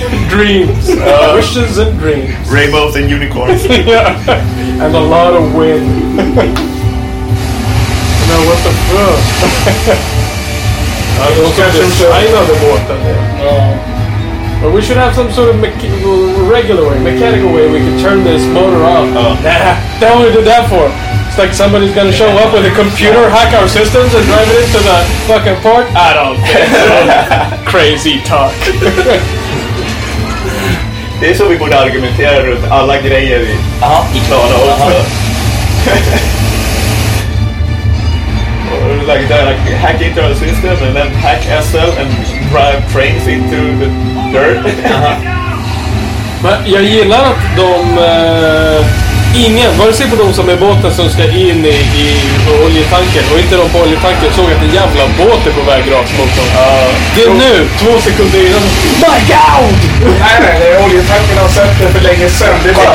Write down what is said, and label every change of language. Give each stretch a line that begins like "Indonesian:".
English: Dreams. Wishes and dreams. Rainbows and unicorns. Yeah. And a lot of wind. No, what the fuck?
Swedish: Jag ska försöka designa den båten.
English: But we should have some sort of mechanical way we can turn this motor off. That's what we did that for. It's like somebody's gonna show up with a computer, hack our systems, and drive it into the fucking port. I don't think so. Crazy talk.
Swedish: Det är så vi borde argumentera runt alla grejer vi klarar av.
English: Like that, like hack into our system and then hack SL and drive trains into the dirt.
Swedish: Men jag gillar att de ingen, vare sig på de som är båten som ska in i oljetanken och inte de på oljetanken, såg att en jävla båt är på väg rakt mot dem. Det är nu, 2 sekunder innan.
English: My God!
Swedish: Nej, nej, oljetanken har sett det för länge sedan. Det är bara